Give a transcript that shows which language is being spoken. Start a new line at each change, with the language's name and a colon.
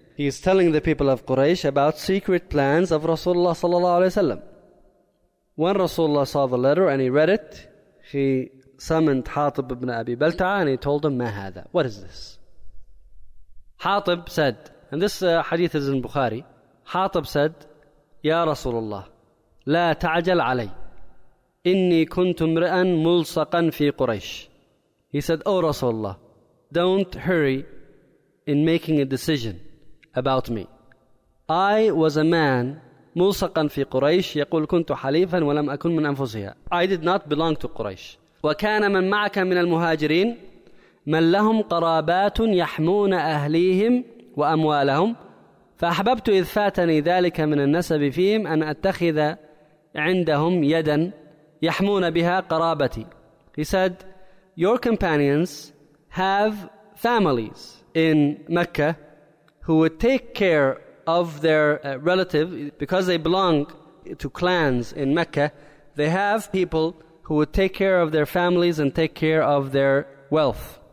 English: He is telling the people of Quraysh about secret plans of Rasulullah Sallallahu Alaihi Wasallam. When Rasulullah saw the letter and he read it, he summoned Hatib ibn Abi Balta'a and he told him,
Arabic: ما هذا?
English: What is this? Hatib said, and this hadith is in Bukhari. Hatib said,
Arabic: يا رسول الله لا تعجل علي إني كنت امرئا ملصقا في قريش.
English: He said, oh رسول الله, don't hurry in making a decision about me. I was a man
Arabic: ملصقا في قريش يقول كنت حليفا ولم أكن من أنفسها.
English: I did not belong to قريش.
Arabic: وكان من معك من المهاجرين من لهم قرابات يحمون أهليهم وأموالهم فأحببت إذ فاتني ذلك من النسب فيهم أن أتخذ عندهم يدا يحمون بها قرابتي.
English: He said, your companions have families in Mecca who would take care of their relative because they belong to clans in Mecca. They have people who would take care of their families and take care of their wealth.